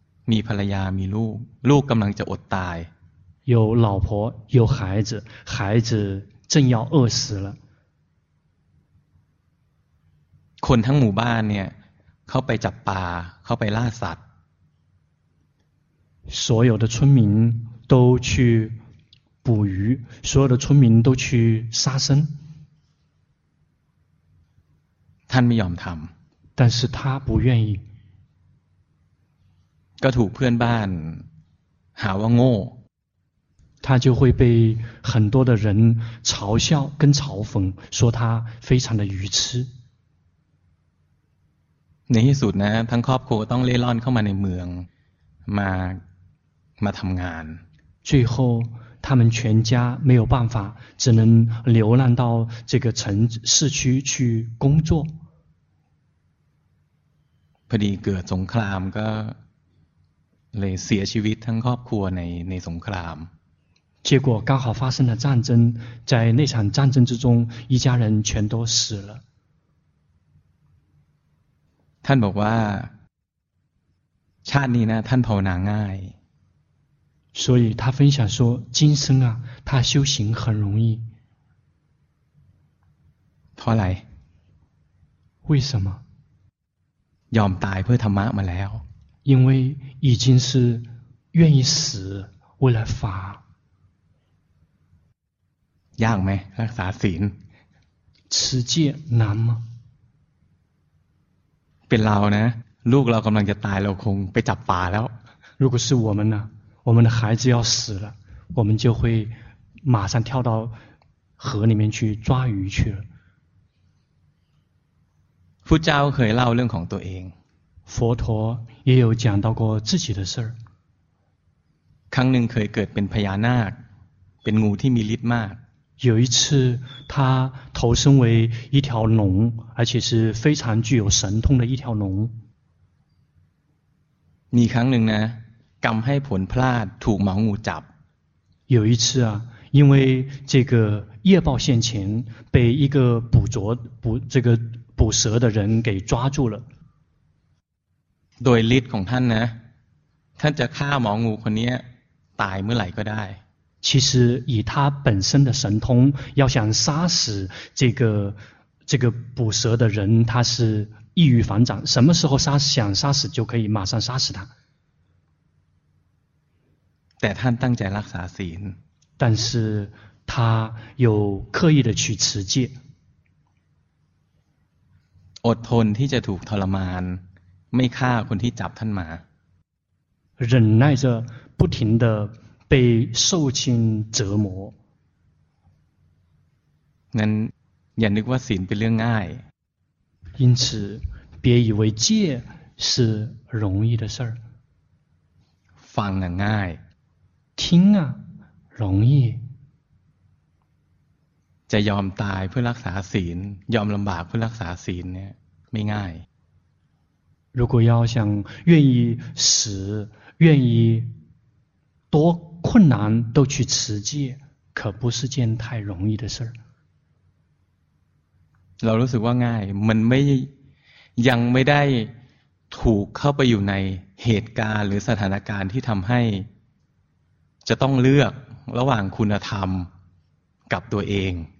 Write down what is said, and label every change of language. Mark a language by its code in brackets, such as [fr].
[th] มีภรรยามีลูกลูกกำลังจะอดตาย [zh] 有老婆有孩子孩子正要饿死了 [th] คนทั้งหมู่บ้านเนี่ยเขาไปจับปลาเขาไปล่าสัตว์ [zh] 所有的村民都去捕鱼所有的村民都去杀生 [th] ท่านไม่ยอมทำ [zh] 但是他不愿意 [th] ก็ถูกเพื่อนบ้านหาว่าโง่ [zh] 他就会被很多的人嘲笑跟嘲讽说他非常的愚痴 [th] ในที่สุดนะทั้งครอบครัวต้องเล่ร่อนเข้ามาในเมืองมาทำงาน [zh] 最后他们全家没有办法只能流浪到这个城市区去工作 [th] พอดีเกิดสงครามก็เลยเสียชีวิตทั้งครอบครัวในสงคราม [zh] 结果刚好发生了战争在那场战争之中一家人全都死了 [th] ท่านบอกว่าชาตินี้นะท่านภาวนาง่าย [zh] 所以他分享说今生啊他修行很容易 [th] เพราะอะไร [zh] 为什么 [th] ยอมตายเพื่อธรรมะมาแล้ว [zh] 因为已经是愿意死为了法 [th] ยากไหมรักษาศีล [zh] 持戒难吗 [th] เป็นเรานะลูกเรากำลังจะตายเราคงไปจับปลาแล้ว [zh] 如果是我们呢我们的孩子要死了我们就会马上跳到河里面去抓鱼去了 [th] พุทธเจ้าเคยเล่าเรื่องของตัวเอง [zh] 佛陀也有讲到过自己的事儿 [th] ครั้งหนึ่งเคยเกิดเป็นพญานาคเป็นงูที่มีฤทธิ์มาก [zh] 有一次他投身为一条龙而且是非常具有神通的一条龙 [th] มีครั้งหนึ่งนะกรรมให้ผลพลาดถูกหมองูจับ [zh] 有一次啊因为这个业报现前被一个捕蛇的人给抓住了 [th] โดยฤทธิ์ของท่านนะท่านจะฆ่าหมองูคนนี้ตายเมื่อไหร่ก็ได้ [zh] 其实以他本身的神通要想杀死这个捕蛇的人他是易于反掌什么时候想杀死就可以马上杀死他 [th] แต่ท่านตั้งใจรักษาศีล [zh] 但是他有刻意的去持戒 [th] อดทนที่จะถูกทรมานไม่ฆ่าคนที่จับท่านมา [zh] 忍耐着不停的被受尽折磨 [th] นั้นอย่านึกว่าศีลเป็นเรื่องง่าย [zh] 因此别以为戒是容易的事儿 [th] ฟังอ่ะง่าย [zh] 听啊容易 [th] จะยอมตายเพื่อรักษาศีลยอมลำบากเพื่อรักษาศีลเนี่ยไม่ง่าย [zh] 如果要想愿意死愿意多困难都去持戒可不是件太容易的事 [th] เรารู้สึกว่าง่ายมันไม่ยังไม่ได้ถูกเข้าไปอยู่ในเหตุการณ์หรือสถานการณ์ที่ทำให้จะต้องเลือกระหว่างคุณธรรมกับตัวเอง